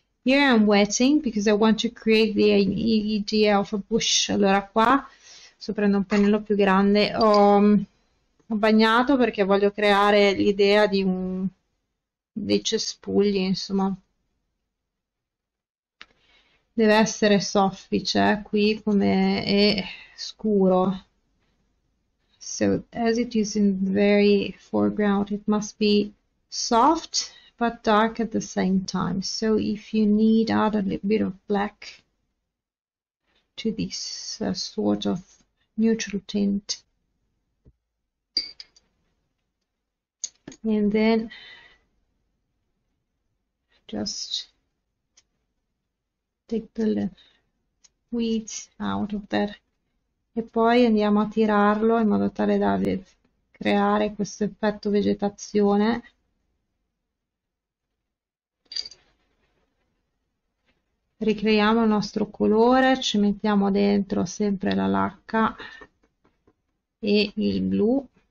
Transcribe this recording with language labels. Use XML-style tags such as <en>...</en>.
<en>Here I'm wetting because I want to create the idea of a bush.</en> <it>Allora qua, sto prendendo un pennello più grande, ho bagnato perché voglio creare l'idea di un dei cespugli, insomma. Deve essere soffice qui come è scuro.</it> <en>So, as it is in the very foreground, it must be soft. But dark at the same time. So if you need add a little bit of black to this sort of neutral tint. And then just take the weeds out of there.</en> <it>E poi andiamo a tirarlo in modo tale da creare questo effetto vegetazione. Ricreiamo il nostro colore, ci mettiamo dentro sempre la lacca e il blu.</it>